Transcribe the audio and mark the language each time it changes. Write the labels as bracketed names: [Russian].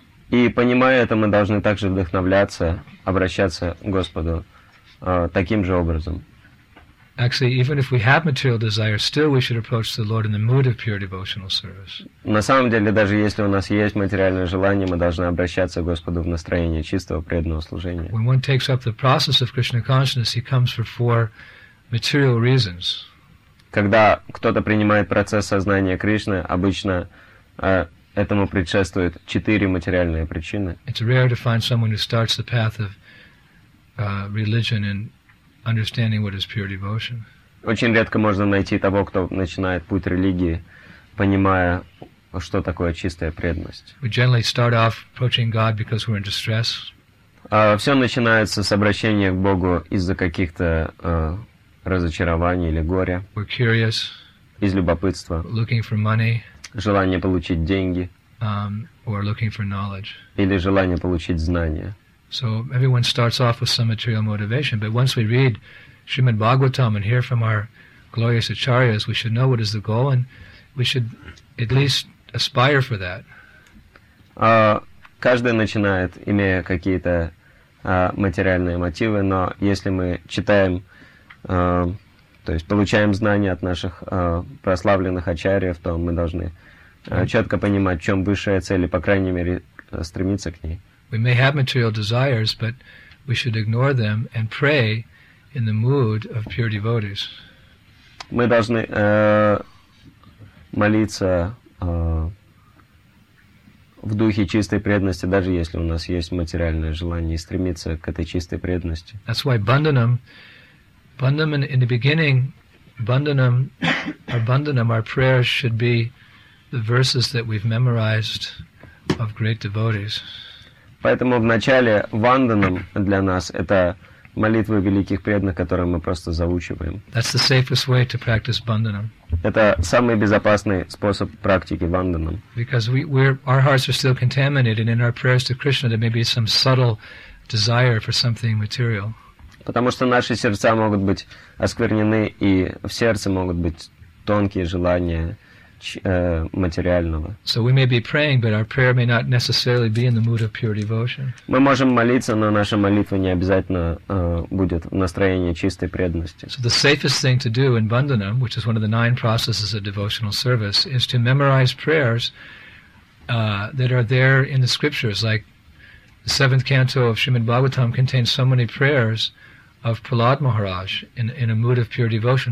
[Russian] И понимая это, мы должны также вдохновляться, обращаться к Господу таким же образом. [English] Actually, even if we have material desires, still we should approach the Lord in the mood of pure devotional service. [Russian] На самом деле, даже если у нас есть материальное желание, мы должны обращаться к Господу в настроении чистого преданного служения. [English] When one takes up the process of Krishna consciousness, he comes for four material reasons. [Russian] Когда кто-то принимает процесс сознания Кришны, обычно этому предшествуют четыре материальные причины. [English] It's rare to find someone who starts the path of religion and understanding what is pure devotion. [Russian] Очень редко можно найти того, кто начинает путь религии, понимая, что такое чистая преданность. [English] We generally start off approaching God because we're in distress. [Russian] Все начинается с обращения к Богу из-за каких-то разочарования или горя. [English] We're curious, [Russian] из любопытства. [English] Looking for money, [Russian] желание получить деньги. [English] Or looking for knowledge. [Russian] Или желание получить знания. [English] So everyone starts off with some material motivation, but once we read Srimad Bhagavatam and hear from our glorious acharyas, we should know what is the goal, and we should at least aspire for that. [Russian] Каждый начинает, имея какие-то материальные мотивы, но если мы читаем, то есть получаем знания от наших прославленных ачарьев, то мы должны четко понимать, в чем высшая цель, и, по крайней мере, стремиться к ней. [English] We may have material desires, but we should ignore them and pray in the mood of pure devotees. [Russian] Мы должны молиться в духе чистой преданности, даже если у нас есть материальное желание, и стремиться к этой чистой преданности. [English] That's why bandhanam in the beginning, bandhanam, our prayers should be the verses that we've memorized of great devotees. [Russian] Поэтому в начале ванданам для нас это молитвы великих преданных, которые мы просто заучиваем. [English] That's the safest way to practice bandhanam. [Russian] Это самый безопасный способ практики ванданам. [English] Because our hearts are still contaminated in our prayers to Krishna, there may be some subtle desire for something material. [Russian] Потому что наши сердца могут быть осквернены, и в сердце могут быть тонкие желания материального. [English] So we may be praying, but our prayer may not necessarily be in the mood of pure devotion. [Russian] Мы можем молиться, но наша молитва не обязательно будет в настроении чистой преданности. [English] So the safest thing to do in bandhanam, which is one of the nine processes of devotional service, is to memorize prayers that are there in the scriptures. Like the seventh canto of Srimad Bhagavatam contains so many prayers of Prahlad Maharaj in a mood of pure devotion.